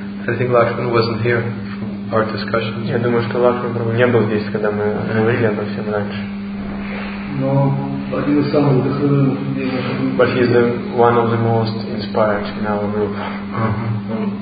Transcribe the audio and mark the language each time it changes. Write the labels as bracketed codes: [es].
[en] I think Lakshman wasn't here from our discussion. [ru] Я думаю, что Лакшман просто не был здесь, когда мы говорили обо всем раньше. Но один из самых вдохновенных. [en] But he's one of the most inspired in our group.